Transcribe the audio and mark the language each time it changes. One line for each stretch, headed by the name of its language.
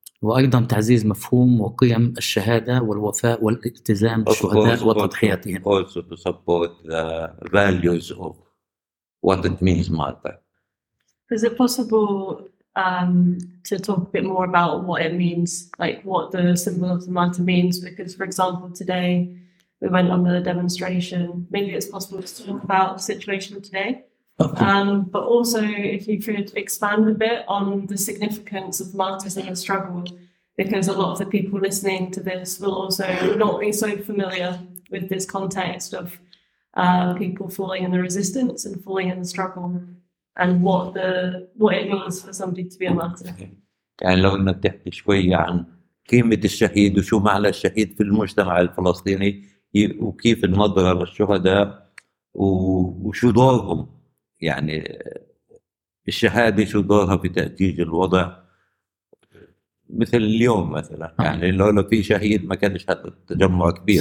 Arabic: وأيضا تعزيز مفهوم وقيم الشهادة والوفاء والالتزام بالشهداء وتضحياتهم.
English: Also to support the values of what it means martyr. Is it possible to talk a bit more about what it means, like what the symbol of the martyr means? Because for example, today we went on the demonstration. Maybe it's possible to talk about the situation today. But also, if you could expand a bit on the significance of martyrs in the struggle, because a lot of the people listening to this will also not be so familiar with this context of people falling in the resistance and falling in the struggle, and what it means for somebody to be a martyr.
Arabic: يعني لو إنك تحكي شوية عن قيمة الشهيد وشو معنى الشهيد في المجتمع الفلسطيني وكيف النظرة للشهداء وشو دورهم. يعني الشهادة شو دورها في تأجيج الوضع مثل اليوم مثلا يعني لو في شهيد ما كانش هذا تجمع كبير